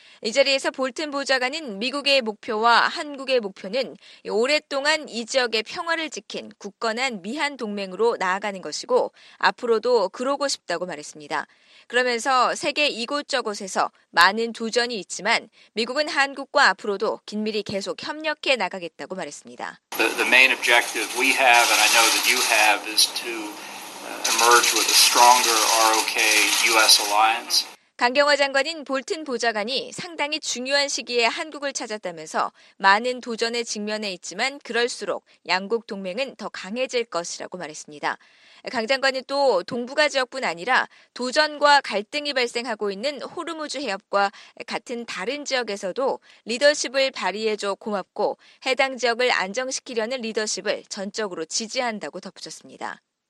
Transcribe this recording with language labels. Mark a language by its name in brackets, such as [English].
[Korean] 이 자리에서 볼튼 보좌관은 미국의 목표와 한국의 목표는 오랫동안 이 지역의 평화를 지킨 굳건한 미한 동맹으로 나아가는 것이고 앞으로도 그러고 싶다고 말했습니다. 그러면서 세계 이곳저곳에서 많은 도전이 있지만 미국은 한국과 앞으로도 긴밀히 계속 협력해 나가겠다고 말했습니다. [English] The main objective we have and I know that you have is to emerge with a stronger ROK US alliance. [Korean] 강경화 장관인 볼튼 보좌관이 상당히 중요한 시기에 한국을 찾았다면서 많은 도전의 직면에 있지만 그럴수록 양국 동맹은 더 강해질 것이라고 말했습니다. 강 장관이 또 동북아 지역뿐 아니라 도전과 갈등이 발생하고 있는 호르무즈 해협과 같은 다른 지역에서도 리더십을 발휘해줘 고맙고 해당 지역을 안정시키려는 리더십을 전적으로 지지한다고 덧붙였습니다.